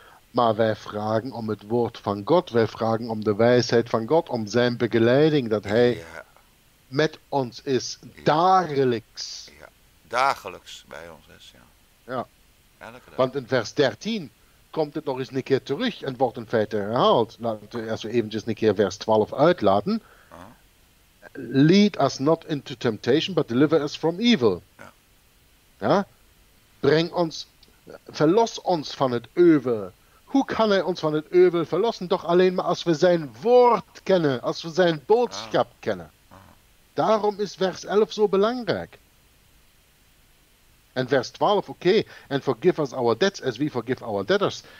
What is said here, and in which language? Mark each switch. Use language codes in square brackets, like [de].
[nl] Maar wij vragen om het woord van God. Wij vragen om de wijsheid van God, om zijn begeleiding, dat hij met ons is, dagelijks. Ja, dagelijks bij ons is, ja. Want in vers 13... komt het nog eens een keer terug en wordt in feite herhaald. Laten we even eventjes een keer vers 12 uitlaten. Uh-huh. [en] Lead us not into temptation, but deliver us from evil. [nl] Ja. Ja? Breng ons, verlos ons van het euvel. Hoe kan hij ons van het euvel verlossen? Doch alleen maar als we zijn woord kennen, als we zijn boodschap kennen. Uh-huh. Daarom is vers 11 zo belangrijk. En vers 12, [en] and forgive us our debts as we forgive our debtors.